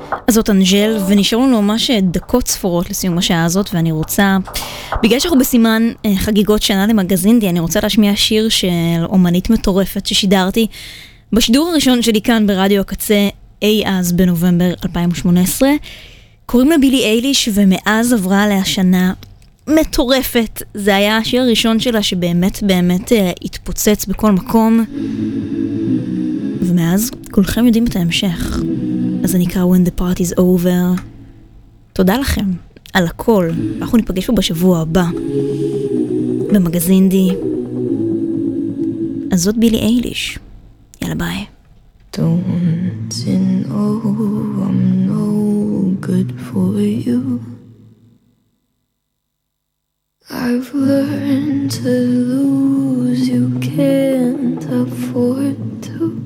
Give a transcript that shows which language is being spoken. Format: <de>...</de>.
<he>זאת אנג'ל, ונשארו לנו ממש דקות ספורות לסיום השעה הזאת, ואני רוצה, בגלל שאנחנו בסימן חגיגות שנה למגזינדי, אני רוצה להשמיע שיר של אומנית מטורפת ששידרתי בשידור הראשון שלי כאן ברדיו הקצה אי אז בנובמבר 2018. קוראים לה בילי אייליש, ומאז עברה עליה שנה מטורפת. זה היה השיר הראשון שלה שבאמת באמת התפוצץ בכל מקום, ומאז כולכם יודעים את ההמשך. אז אני קרא When the Party's Over. תודה לכם על הכל. אנחנו ניפגש פה בשבוע הבא במגזין די. אז זאת בילי אייליש. יאללה ביי.</he> <en>Don't know I'm no good for you. I've learned to lose, you can't afford to.</en>